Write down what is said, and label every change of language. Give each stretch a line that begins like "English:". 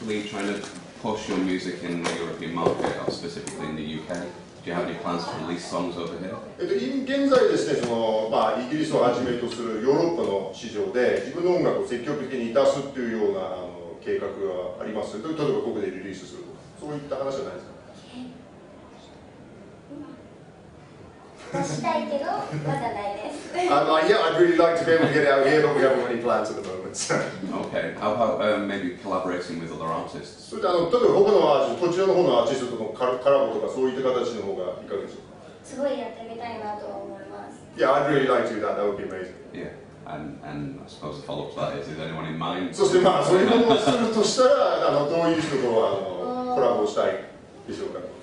English: Trying to push your music in the European market, or specifically in the UK. Do you have any plans to release songs over here?
Japanese: 現在ですね、イギリスをはじめとするヨーロッパの市場で自分の音楽を積極的に出すっていうような計画があります。例えばここでリリースするとか、そういった話じゃないですか。
English: yeah, I'd really like to be able to get out here, but we haven't got any plans at the moment. Okay, how about maybe collaborating with other artists?
Japanese: So, あの、例えば他のアーティスト、こちらの方のアーティストとのコラボとかそういった形の方がいかがでしょうか？すごいやってみたいなと思います。
English: Yeah, I'd really like to do that. That would be amazing. Yeah, and I suppose a follow-up to that is anyone in mind?
Japanese: そして、それをするとしたら、あの、どういう人とあのコラボしたいでしょうか？